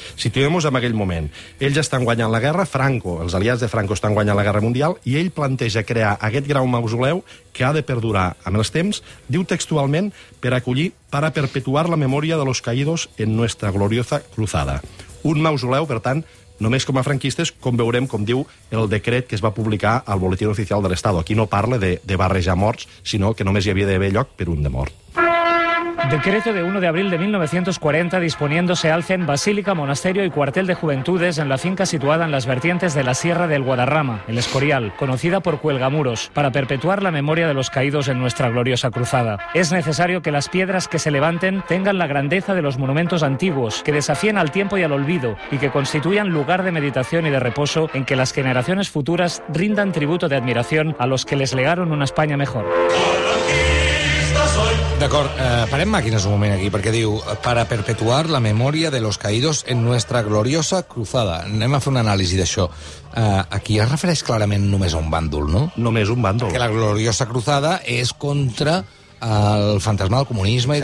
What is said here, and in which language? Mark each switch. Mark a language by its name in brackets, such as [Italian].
[Catalan] Situem-nos en aquell moment. Ells estan guanyant la guerra, Franco, els aliats de Franco estan guanyant la guerra mundial, i ell planteja crear aquest gran mausoleu que ha de perdurar amb els temps, diu textualment, per acollir, per a perpetuar la memòria de [Spanish] los caídos en nuestra gloriosa cruzada. [Catalan] Un mausoleu, per tant, només com a franquistes, com veurem, com diu el decret que es va publicar al Boletín Oficial de l'Estat. Aquí no parla de barrejar morts, sinó que només hi havia d'haver lloc per un de mort. [Spanish] Decreto de 1 de abril de 1940 disponiéndose alcen basílica, monasterio y cuartel de juventudes en la finca situada en las vertientes de la Sierra del Guadarrama, el Escorial, conocida por Cuelgamuros, para perpetuar la memoria de los caídos en nuestra gloriosa cruzada. Es necesario que las piedras que se levanten tengan la grandeza de los monumentos antiguos, que desafíen al tiempo y al olvido, y que constituyan lugar de meditación y de reposo en que las generaciones futuras rindan tributo de admiración a los que les legaron una España mejor. [Catalan] D'acord, parem màquines un moment aquí, perquè diu para perpetuar la memòria de [Spanish] los caídos en nuestra gloriosa cruzada. [Catalan] Anem a fer una anàlisi d'això. Aquí es refereix clarament només a un bàndol, no? Només un bàndol. Que la gloriosa cruzada és contra el fantasma del comunisme.